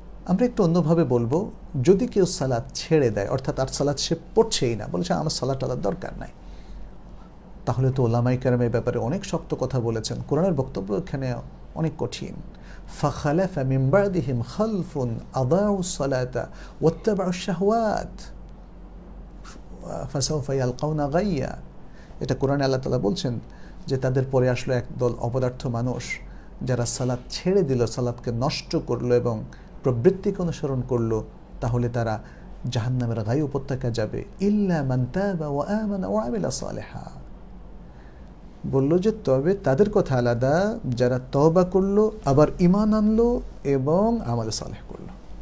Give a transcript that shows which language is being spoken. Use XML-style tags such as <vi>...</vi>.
<bn>আমরা একটু অন্যভাবে বলবো, যদি কেউ সালাত ছেড়ে দেয়, অর্থাৎ আর সালাত সে পড়ছেই না, বলছে আমার সালাত আলাদা দরকার নাই, তাহলে তো ওলামাই কেরামের ব্যাপারে অনেক শক্ত কথা বলেছেন, কোরআনের বক্তব্য এখানে অনেক কঠিন।</bn> <ar>فخلف من بعدهم خلف أضاعوا الصلاة واتبعوا الشهوات فسوف يلقون غيا।</ar> <bn>এটা কোরআনে আল্লাহ তাআলা বলছেন যে তাদের পরে আসলো একদল অপদার্থ মানুষ যারা সালাত ছেড়ে দিল, সালাতকে নষ্ট করলো এবং প্রবৃত্তিকে অনুসরণ করলো, তাহলে তারা জাহান্নামের গায়ে উপত্যকা যাবে।</bn> <ar>ইল্লা মান তাবা ওয়া আমানা ওয়া আমিলা সালিহা।</ar> <bn>বললো যে তবে তাদের কথা আলাদা যারা তওবা করলো, আবার ঈমান আনলো এবং আমল সালেহ করলো।</bn>